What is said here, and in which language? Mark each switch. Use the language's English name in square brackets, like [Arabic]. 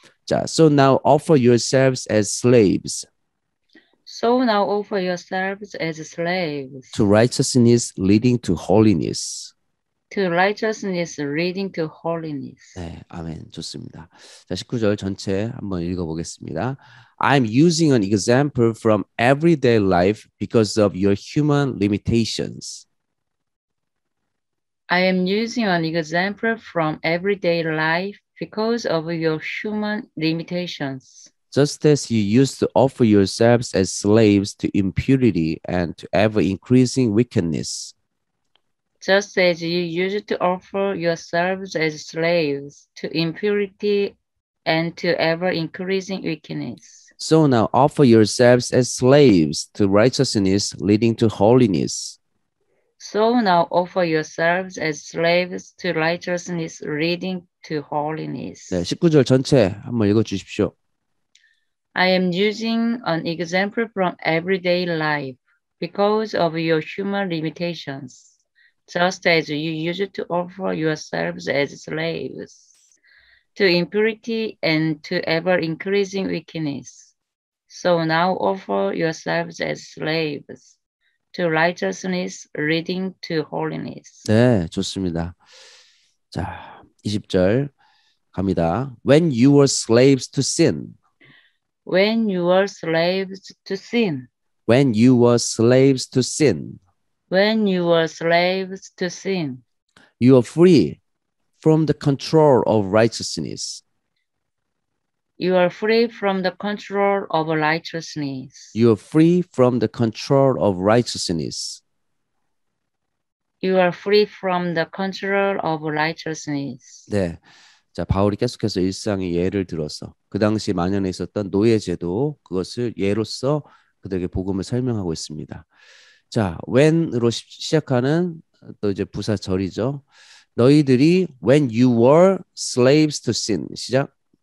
[English] 자, so now offer yourselves as slaves. So now offer yourselves as slaves. To righteousness leading to holiness. To righteousness leading to holiness. [Korean] 네, 아멘. 좋습니다. 자, 19절 전체 한번 읽어보겠습니다. [English] I'm using an example from everyday life because of your human limitations. I am using an example from everyday life because of your human limitations. Just as you used to offer yourselves as slaves to impurity and to ever-increasing wickedness. Just as you used to offer yourselves as slaves to impurity and to ever-increasing wickedness. So now offer yourselves as slaves to righteousness leading to holiness. So now offer yourselves as slaves to righteousness leading to holiness. [Korean] 네, 19절 전체 한번 읽어주십시오. [English] I am using an example from everyday life because of your human limitations. Just as you used to offer yourselves as slaves to impurity and to ever-increasing wickedness, so now offer yourselves as slaves to righteousness leading to holiness. [Korean] 네, 좋습니다. 자, 20절 갑니다. [English] When you were slaves to sin. When you were slaves to sin. When you were slaves to sin. When you were slaves to sin, you are free from the control of righteousness. You are free from the control of righteousness. You are free from the control of righteousness. You are free from the control of righteousness. [Korean] 네, 자 바울이 계속해서 일상의 예를 들어서 그 당시 만연해 있었던 노예 제도 그것을 예로서 그들에게 복음을 설명하고 있습니다. 자, when으로 시작하는 또 이제 부사절이죠. 너희들이 [English] when you were slaves to sin [Korean] 시작.